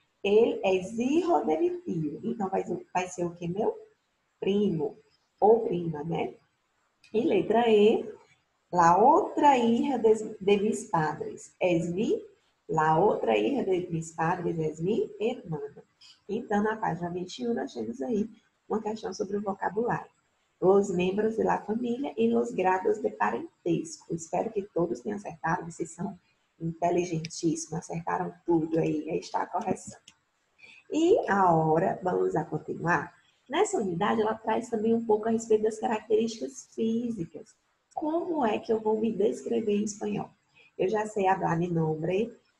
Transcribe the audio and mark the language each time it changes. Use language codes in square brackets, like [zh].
[pt] Ele é [es] hijo de mi tio. [pt] Então, vai ser o quê? Meu primo ou prima, né? E letra E. [es] La otra hija de mis padres es mi. La otra hija de mis padres es mi hermana. [pt] Então, na página 21, nós temos aí uma questão sobre o vocabulário. [es] Los membros de la familia y los grados de parentesco. [pt] Espero que todos tenham acertado. Vocês são inteligentíssimos. Acertaram tudo aí. Aí está a correção. E agora, vamos a continuar. Nessa unidade, ela traz também um pouco a respeito das características físicas. Como é que eu vou me descrever em espanhol? Eu já sei [es] hablar mi nombre,